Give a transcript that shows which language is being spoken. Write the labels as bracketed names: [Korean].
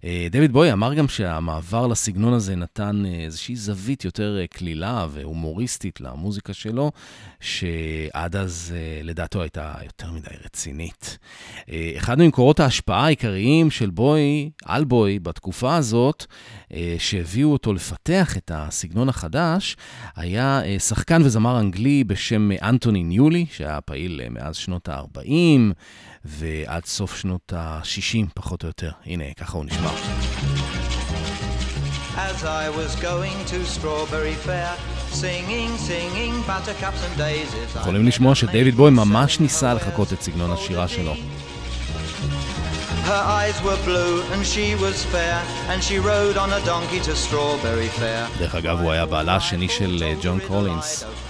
[Hebrew] דייוויד בואי אמר גם שהמעבר לסגנון הזה נתן איזושהי זווית יותר כלילה והומוריסטית למוזיקה שלו שעד אז לדעתו הייתה יותר מדי רצינית אחד ממקורות ההשפעה העיקריים של בואי על בואי בתקופה הזאת שהביאו אותו לפרק פתח את הסגנון החדש היה שחקן וזמר אנגלי בשם אנטוני ניולי שהיה פעיל מאז שנות ה-40 ועד סוף שנות ה-60 פחות או יותר הנה ככה הוא נשמע [English] As I was going to Strawberry Fair singing singing buttercups and daisies [Hebrew] יכולים לשמוע שדייוויד בואי ממש ניסה לחכות את סגנון השירה שלו [English] Her eyes were blue and she was fair and she rode on a donkey to Strawberry Fair. [Hebrew] דרך אגב, הוא היה בעלה השני של ג'ון קולינס.